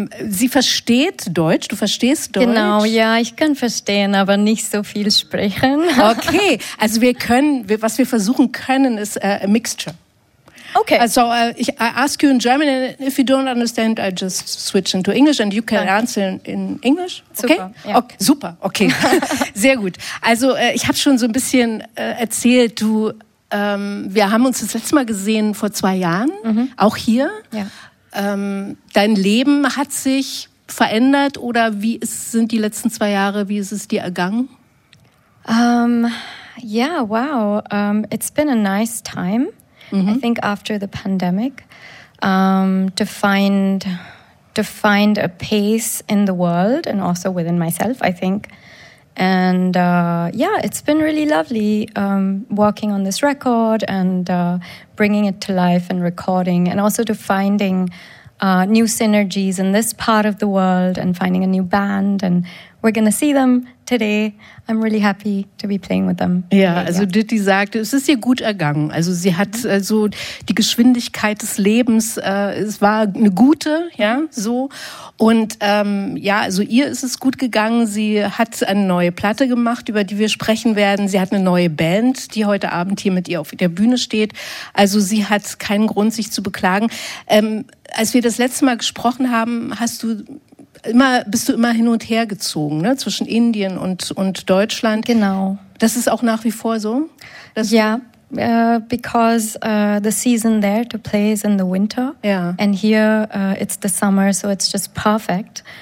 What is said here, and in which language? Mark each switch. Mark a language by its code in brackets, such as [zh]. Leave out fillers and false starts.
[de] Sie versteht Deutsch. Du verstehst Deutsch? Genau, ja, ich kann verstehen, aber nicht so viel sprechen. Okay, also was wir versuchen können, ist [en] a mixture. Okay. So I ask you in German and if you don't understand, I just switch into English and you can answer in English. Okay? Super. [de] Ja. Okay, super. Okay. Sehr gut. Also ich habe schon so ein bisschen erzählt, du, wir haben uns das letzte Mal gesehen vor 2 Jahren, auch hier. Ja. Dein Leben hat sich verändert oder sind die letzten 2 Jahre, wie ist es dir ergangen? [en] Yeah, wow. It's been a nice time. Mm-hmm. I think after the pandemic, to find a pace in the world and also within myself, I think. And yeah, it's been really lovely working on this record and bringing it to life and recording, and also to finding new synergies in this part of the world and finding a new band. And we're going to see them today. I'm really happy to be playing with them. [de] Ja, also Ditty sagte, es ist ihr gut ergangen. Also sie hat also die Geschwindigkeit des Lebens, es war eine gute, ja, so. Und ja, also ihr ist es gut gegangen. Sie hat eine neue Platte gemacht, über die wir sprechen werden. Sie hat eine neue Band, die heute Abend hier mit ihr auf der Bühne steht. Also sie hat keinen Grund, sich zu beklagen. Als wir das letzte Mal gesprochen haben, bist du immer hin und her gezogen, ne? Zwischen Indien und Deutschland. Genau. Das ist auch nach wie vor so? [en] Because the season there to play is in the winter. Yeah. And here it's the summer, so it's just perfect.